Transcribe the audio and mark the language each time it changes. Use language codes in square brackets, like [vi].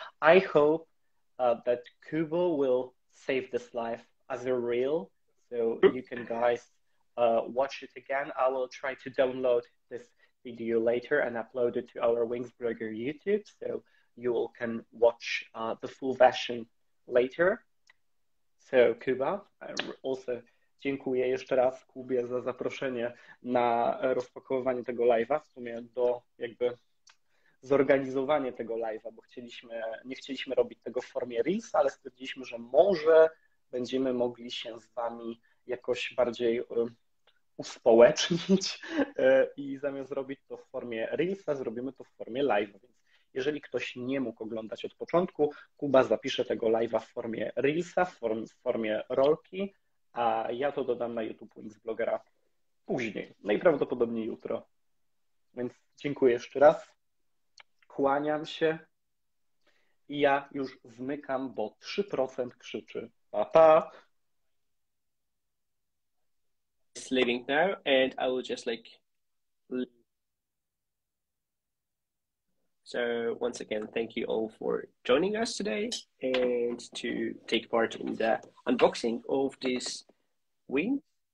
[en] I hope that Kuba will save this life as a reel, so you can guys watch it again. I will try to download this video later and upload it to our WinxBlogger YouTube, so you all can watch the full version later. [pl] So Kuba, also dziękuję jeszcze raz Kubie za zaproszenie na rozpakowywanie tego live'a, w sumie do jakby zorganizowanie tego live'a, bo nie chcieliśmy robić tego w formie reels, ale stwierdziliśmy, że może będziemy mogli się z wami jakoś bardziej uspołecznić i zamiast robić to w formie reelsa, zrobimy to w formie live'a, więc jeżeli ktoś nie mógł oglądać od początku, Kuba zapisze tego live'a w formie reelsa, w formie rolki, a ja to dodam na YouTube WinxBlogera później, najprawdopodobniej jutro. Więc dziękuję jeszcze raz. Kłaniam się. I ja już zmykam, bo 3% krzyczy. Pa, pa! [en] It's leaving now and I will just like... So once again, thank you all for joining us today and to take part in the unboxing of this Winx.